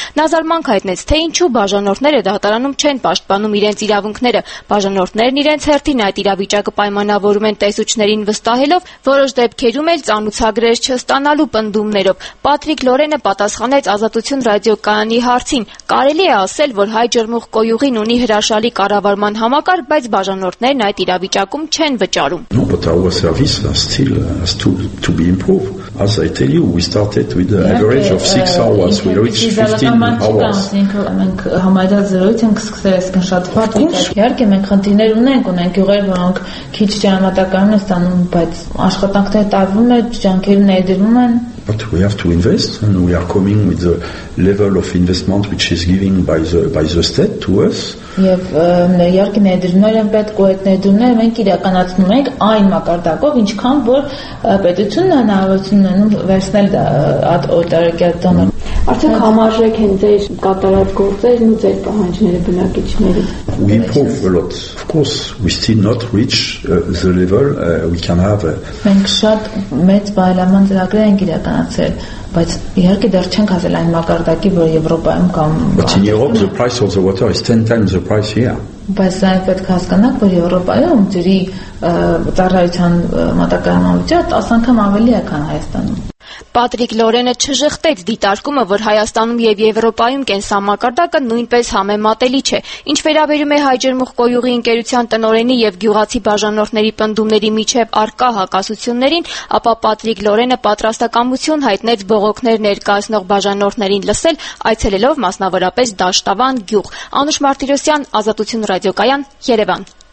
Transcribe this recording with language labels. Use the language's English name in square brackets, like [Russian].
[Armenian] Նա զարմանք հայտնեց, թե ինչու բաժանորդները դատարանում չեն պաշտպանում իրենց իրավունքները։ Բաժանորդներն իրենց հերթին այդ իրավիճակը պայմանավորում են տեսուչներին վստահելով, որոշ դեպքերում էլ ծանուցագրեր չստանալու պնդումներով։ Պատրիկ Լորենը պատասխանեց Ազատություն ռադիոկայանի հարցին. Կարելի է ասել, որ Հայ Ջրմուխ Կոյուղին ունի հրաշալի կառավարման համակարգ, բայց բաժանորդներն այդ իրավիճակում չեն վճարում։ [English] No, but our service still has to be improved. As I tell you, we started with an average of 6 hours, we reached 15 hours. [Armenian] Մենք համայնքը զրոյից ենք սկսել, այսինքն շատ վատ է։ Իհարկե մենք խնդիրներ ունենք, ունենք յուղեր, որոնք քիչ ժամանակականն է ստանում, բայց աշխատանքները տարվում են, ջանքերը ներդրվում են։ [English] But we have to invest and we are coming with the level of investment which is given by the state to us. [Armenian] Եվ իհարկե ներդրումները պետք է ներդրումները մենք իրականացնում ենք այն մակարդակով, ինչքան որ պետությունն հնարավորություն ունենում վերցնել դա օտարակյալ դոնոր։ Արդյոք համարժեք են ձեր կատարած գործերն ու ձեր պահանջները բնակիչների։ [English] We improve a lot. Of course, we still not reach the level we can have. [Armenian] Մենք շատ մեծ բարելավման ծրագրեր ենք իրականացրել, բայց իհարկե դեռ չենք հասել այն մակարդակի, որ Եվրոպայում կամ [English] But in Europe the price of the water is 10 times the price here. [Armenian] Բայց այն պետք է հասկանաք, որ Եվրոպայում ջրի ծառայության մատակարարման վիճակը 10 անգամ ավելի է, քան Հայաստանում։ Պատրիկ Լորենը չժխտեց դիտարկումը, որ Հայաստանում եւ Եվրոպայում կենսամակարդակը նույնպես համեմատելի չէ։ Ինչ վերաբերում է Հայջերմուխ կոյուղի ընկերության տնօրենի եւ գյուղացի բաժանորդների պնդումների միջև առկա հակասություններին, ապա Պատրիկ Լորենը պատրաստակամություն հայտնեց բողոքներ ներկայացնող բաժանորդներին լսել, այցելելով մասնավորապես Դաշտավան գյուղ։ Անուշ Մարտիրոսյան, Ազատություն ռադիոկայան, Երևան։